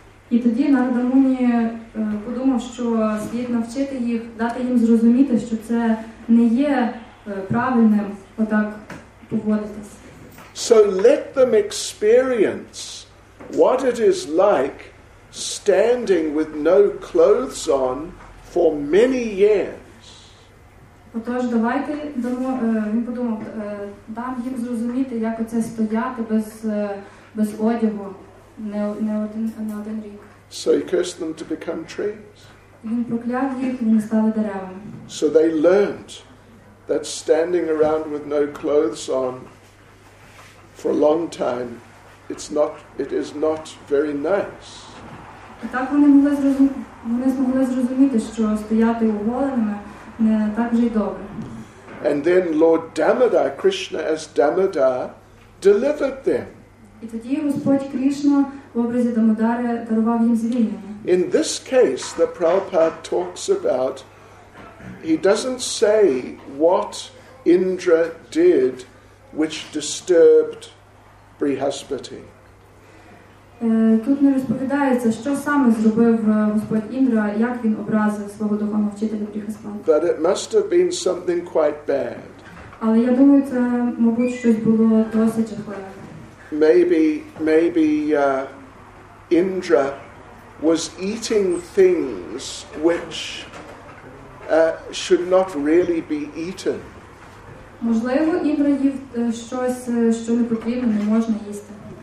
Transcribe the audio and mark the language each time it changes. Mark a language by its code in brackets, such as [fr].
[uk] І тоді Нарада Муні подумав, що слід навчити їх, дати їм зрозуміти, що це не є правильним отак поводитися. [en] So let them experience what it is like standing with no clothes on for many years. [uk] Отож, давайте дамо, він подумав, дам їм зрозуміти, як оце стояти без одягу не один рік. [en] So he cursed them to become trees. [uk] Він прокляв їх, вони стали деревами. [en] So they learned that standing around with no clothes on for a long time, it is not very nice. [uk] Так вони змогли зрозуміти, що стояти оголеними не так же й добре. [en] And then Lord Damodar, Krishna as Damodar, delivered them. [uk] І тоді Господь Кришна в образі Дамодари дарував їм звільнення. [en] In this case, the Prabhupada talks about, he doesn't say what Indra did which disturbed Brihaspati. [uk] Тут не розповідається, що саме зробив Господь Індра, як він образив свого духовного вчителя Брихаспати. [en] But it must have been something quite bad. [uk] Але я думаю, це, мабуть, щось було досить жахливе. [en] Maybe Indra was eating things which should not really be eaten. [uk] Можливо, Індра їв щось, що не потрібно, не можна їсти.